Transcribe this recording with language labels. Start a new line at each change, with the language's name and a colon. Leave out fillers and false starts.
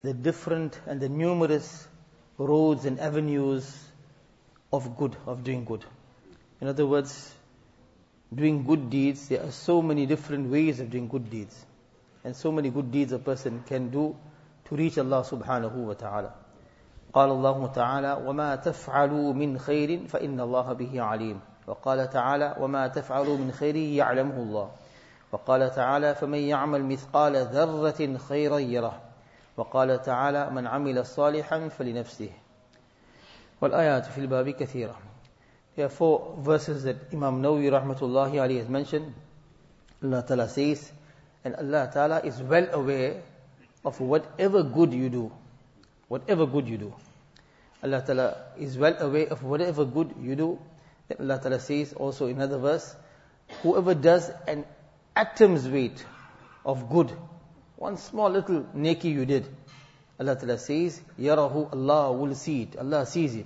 English: the different and the numerous roads and avenues of good, of doing good. In other words, doing good deeds, there are so many different ways of doing good deeds. And so many good deeds a person can do to reach Allah subhanahu wa ta'ala.
Arabic: قال الله تعالى وما تفعلوا من خير فإن الله به عليم وقال تعالى وما تفعلوا من خير يعلمه الله وقال تعالى فمن يعمل مثقال ذرة خيرا يره وقال تعالى من عمل صالحا فلنفسه والآيات في الباب كثيرة.
English: There are four verses that Imam Nawawi rahmatullahi alayhi has mentioned. Allah Ta'ala says, and Allah Ta'ala is well aware of whatever good you do. Whatever good you do. Allah Ta'ala is well aware of whatever good you do. Then Allah Ta'ala says also in another verse, whoever does an atom's weight of good, one small little neki you did, Allah Ta'ala says, Yarahu, Allah will see it. Allah sees it.